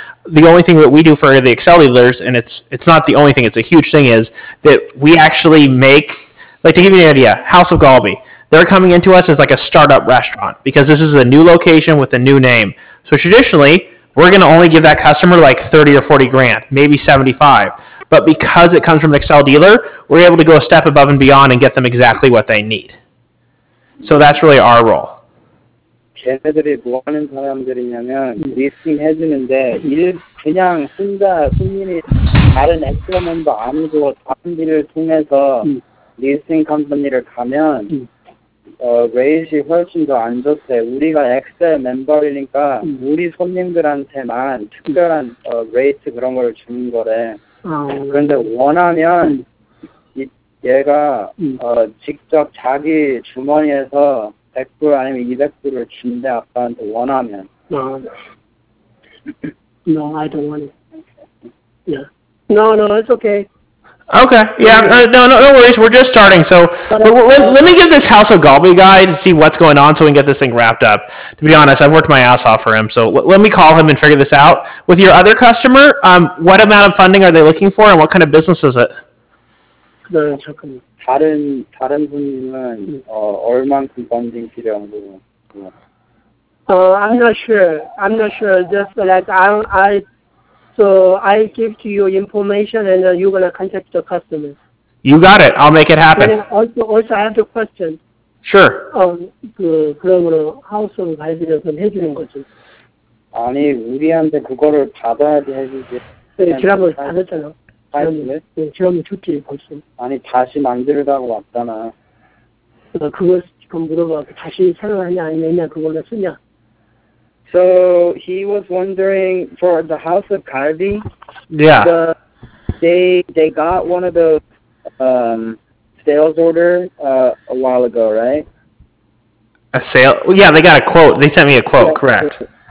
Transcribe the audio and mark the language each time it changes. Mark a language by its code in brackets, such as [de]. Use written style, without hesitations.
[en] The only thing that we do for the Excel dealers, and it's not the only thing, it's a huge thing, is that we actually make like to give you an idea, House of Galby, they're coming into us as like a startup restaurant because this is a new location with a new name. So traditionally, we're going to only give that customer like 30 or 40 grand, maybe 75. But because it comes from an Excel dealer, we're able to go a step above and beyond and get them exactly what they need. So that's really our role. [ko] 걔네들이 뭐 하는 사람들이냐면 리스팅 해주는데 일 그냥 혼자 손님이 다른 액션먼도 아니고 다른 데를 통해서 리스팅 컴퍼니를 가면 레이시 훨씬 더안 좋대. 우리가 엑셀 멤버이니까 우리 손님들한테만 특별한 레이트 그런 걸 주는 거래. 그런데 원하면 얘가 직접 자기 주머니에서 100불 아니면 200불을 준대, 아빠한테 원하면. [en] No, I don't want it. Yeah. No, it's okay. Okay. Yeah. No worries. We're just starting. So let me give this House of Galby guy to see what's going on so we can get this thing wrapped up. To be honest, I've worked my ass off for him. So let me call him and figure this out. With your other customer, what amount of funding are they looking for and what kind of business is it? [ko] 다른 분이면 얼만큼 funding 필요한 거예요? [en] I'm not sure. Just like I give to you information and you're gonna contact the customer. You got it. I'll make it happen. And also I have a question. Sure. [ko] 그러므로 하우스로 가입을 좀 해주는 거죠. 아니 우리한테 그거를 받아야지 해주지. 네, 지난번 받았잖아. 지난번 줬지 벌써. 아니 다시 만들다고 왔잖아. 그거 지금 물어봐. 다시 새로 하냐 아니면 그걸로 쓰냐. [en] So he was wondering for the House of Galby. Yeah. They got one of those sales order a while ago, right? A sale? Yeah, they got a quote. They sent me a quote. Yeah, correct.